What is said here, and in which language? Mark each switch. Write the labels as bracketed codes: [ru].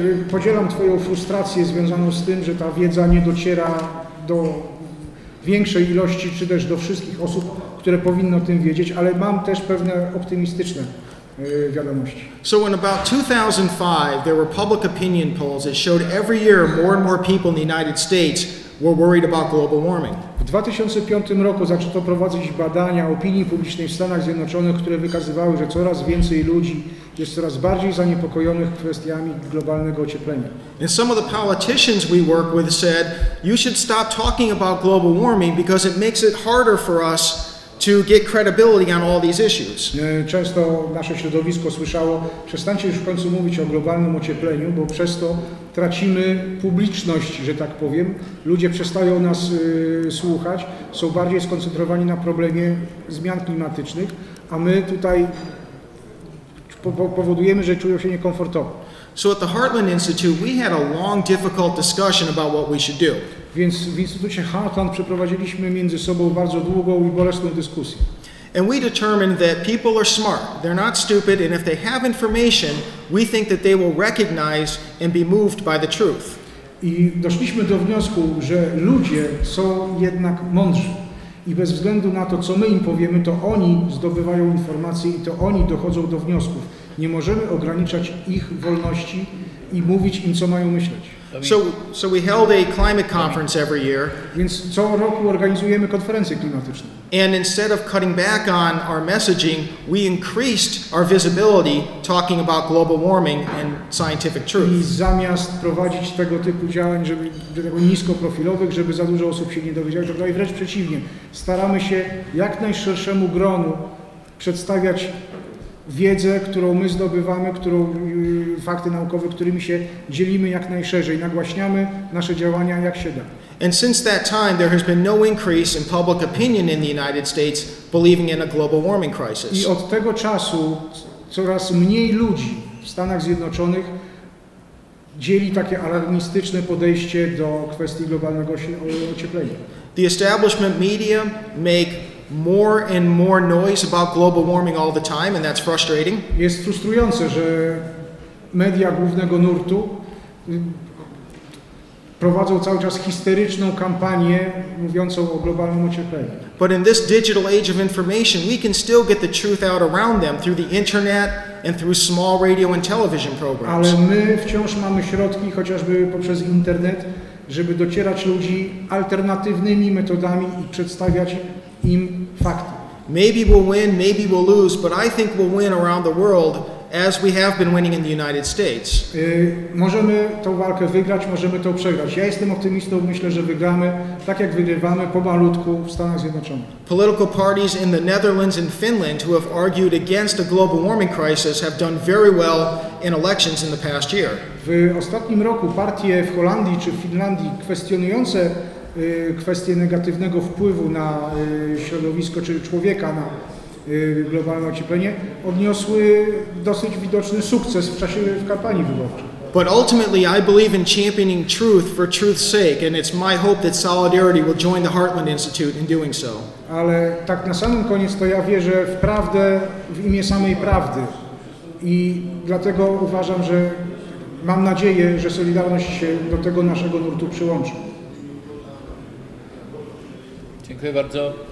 [pl] Podzielam twoją frustrację związaną z tym, że ta wiedza nie dociera do większej ilości, czy też do wszystkich osób, które powinny o tym wiedzieć, ale mam też pewne optymistyczne wiadomości. [en] So in about 2005, there were public opinion polls that showed every year more and more people in the United States were worried about global warming. [pl] W 2005 roku zaczęto prowadzić badania opinii publicznej w Stanach Zjednoczonych, które wykazywały, że coraz więcej ludzi jest coraz bardziej zaniepokojonych kwestiami globalnego ocieplenia. [en] And some of the politicians we work with said, you should stop talking about global warming because it makes it harder for us to get credibility on all these issues. [pl] Często nasze środowisko słyszało, przestańcie już w końcu mówić o globalnym ociepleniu, bo przez to tracimy publiczność, że tak powiem. Ludzie przestają nas słuchać, są bardziej skoncentrowani na problemie zmian klimatycznych, a my tutaj powodujemy, że czują się niekomfortowo. [en] So at the Heartland Institute we had a long, difficult discussion about what we should do. [pl] Więc w Instytucie Heartland przeprowadziliśmy między sobą bardzo długą i bolesną dyskusję. [en] And we determined that people are smart, they're not stupid, and if they have information, we think that they will recognize and be moved by the truth. [pl] I doszliśmy do wniosku, że ludzie są jednak mądrzy. I bez względu na to, co my im powiemy, to oni zdobywają informacje i to oni dochodzą do wniosków. Nie możemy ograniczać ich wolności i mówić im, co mają myśleć. [en] So we held a climate conference every year. [pl] Więc co roku organizujemy konferencję klimatyczną. [en] And instead of cutting back on our messaging, we increased our visibility talking about global warming and scientific truth. [pl] I zamiast prowadzić tego typu działań, żeby niskoprofilowych, żeby za dużo osób się nie dowiedziało, i wręcz przeciwnie, staramy się jak najszerszemu gronu przedstawiać wiedzę, którą my zdobywamy, którą fakty naukowe, którymi się dzielimy jak najszerzej, nagłaśniamy nasze działania jak się da. [en] And since that time there has been no increase in public opinion in the United States believing in a global warming crisis. [pl] I od tego czasu coraz mniej ludzi w Stanach Zjednoczonych dzieli takie alarmistyczne podejście do kwestii globalnego ocieplenia. [en] The establishment media make more and more noise about global warming all the time, and that's frustrating. [pl] Jest frustrujące, że media głównego nurtu prowadzą cały czas histeryczną kampanię mówiącą o globalnym ociepleniu. [en] But in this digital age of information, we can still get the truth out around them through the internet and through small radio and television programs. [pl] Ale my wciąż mamy środki, chociażby poprzez internet, żeby docierać ludzi alternatywnymi metodami i przedstawiać im fakty. [en] Maybe we'll win, maybe we'll lose, but I think we'll win around the world as we have been winning in the United States. [pl] Możemy tą walkę wygrać, możemy to przegrać. Ja jestem optymistą, myślę, że wygramy, tak jak wygrywamy po malutku w Stanach Zjednoczonych. [en] Political parties in the Netherlands and Finland who have argued against a global warming crisis have done very well in elections in the past year. [pl] W ostatnim roku partie w Holandii czy w Finlandii kwestionujące kwestię negatywnego wpływu na środowisko czy człowieka na globalne ocieplenie, odniosły dosyć widoczny sukces w czasie w kampanii wyborczej. [en] But ultimately I believe in championing truth for truth's sake and it's my hope that solidarity will join the Heartland Institute in doing so. [pl] Ale tak na samym koniec to ja wierzę w prawdę w imię samej prawdy i dlatego uważam, że mam nadzieję, że Solidarność się do tego naszego nurtu przyłączy. Dziękuję bardzo.